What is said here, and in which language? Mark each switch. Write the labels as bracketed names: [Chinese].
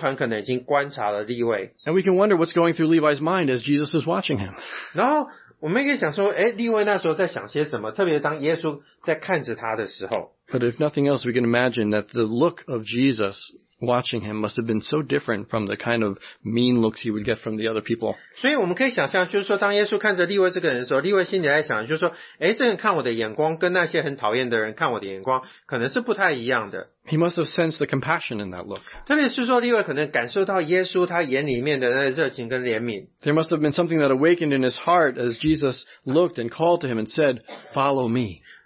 [Chinese] 然后当耶稣看到利未,我们这边所看到这个看这个字啊,我们可以说耶稣很可能已经观察了利未。 [English] And we can wonder what's going through Levi's mind as Jesus is watching him. [Chinese] 我们可以想说,利未那时候在想些什么,特别当耶稣在看着他的时候。 [English] But if nothing else, we can imagine that the look of Jesus watching him must have been so different from the kind of mean looks he would get from the other people. [Chinese] 所以我们可以想象,就是说当耶稣看着利未这个人的时候,利未心里在想,就是说,这个人看我的眼光跟那些很讨厌的人看我的眼光,可能是不太一样的。 [English] He must have sensed the compassion in that look. [Chinese] 特别是说利未可能感受到耶稣他眼里面的热情跟怜悯。 [English] There must have been something that awakened in his heart as Jesus looked and called to him and said, follow me.